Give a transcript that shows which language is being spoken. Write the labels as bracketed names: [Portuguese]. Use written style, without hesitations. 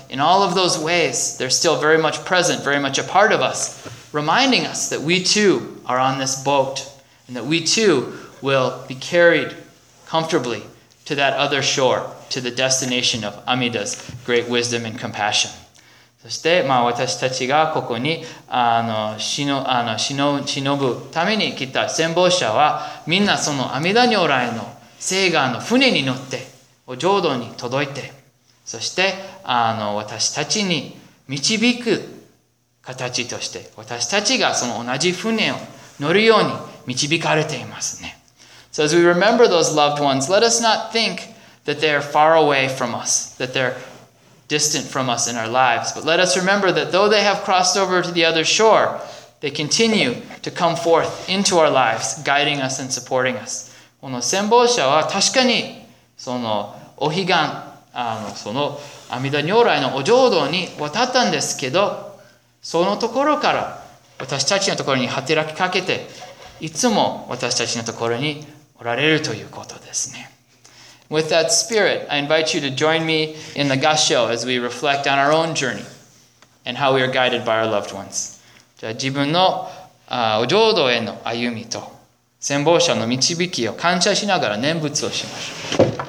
[English] In all of those ways, they're still very much present, very much a part of us, reminding us that we too are on this boat and that we too will be carried comfortably to that other shore, to the destination of Amida's great wisdom and compassion. [Japanese] そして、まあ、私たちがここに忍ぶために来た先方者は、みんなその阿弥陀如来の誓願の船に乗って、お浄土に届いて、そして私たちに導く形として、私たちがその同じ船を乗るように導かれていますね。 [English] So as we remember those loved ones, let us not think that they are far away from us, that they're distant from us in our lives. But let us remember that though they have crossed over to the other shore, they continue to come forth into our lives, guiding us and supporting us. [Japanese] この先方者は確かにそのお彼岸、その阿弥陀如来のお浄土に渡ったんですけど、そのところから私たちのところに働きかけて、いつも私たちのところにおられるということですね。 [English] With that spirit, I invite you to join me in the gassho as we reflect on our own journey and how we are guided by our loved ones. [Japanese] じゃあ自分の、お浄土への歩みと先方者の導きを感謝しながら念仏をしましょう。